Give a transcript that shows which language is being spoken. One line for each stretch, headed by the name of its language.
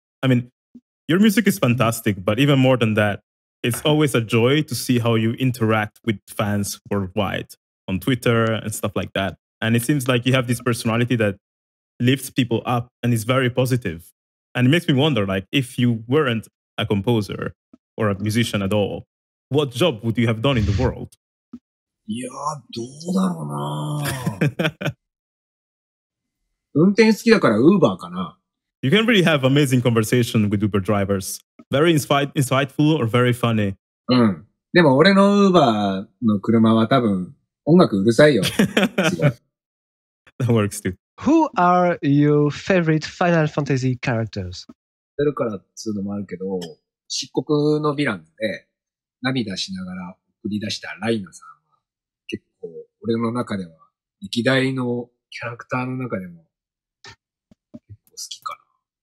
English: I mean, your music is fantastic, but even more than that, it's always a joy to see how you interact with fans worldwide on Twitter and stuff like that. And it seems like you have this personality that lifts people up and is very positive. And it makes me wonder, like, if you weren't a composer or a musician at all, what job would you have done in the world?
Japanese: いやー、どうだろうなぁ。運転好きだから Uber かな。
English: You can really have amazing conversation with Uber drivers. Very insightful or very funny.
Japanese: うん。でも俺の Uber の車は多分音楽うるさいよ。
English: That works too. Who are your favorite Final Fantasy characters?
Japanese: ベルカラっつうのもあるけど、漆黒のヴィランで涙しながら送り出したライナさんは結構俺の中では歴代のキャラクターの中でも結構好きかな。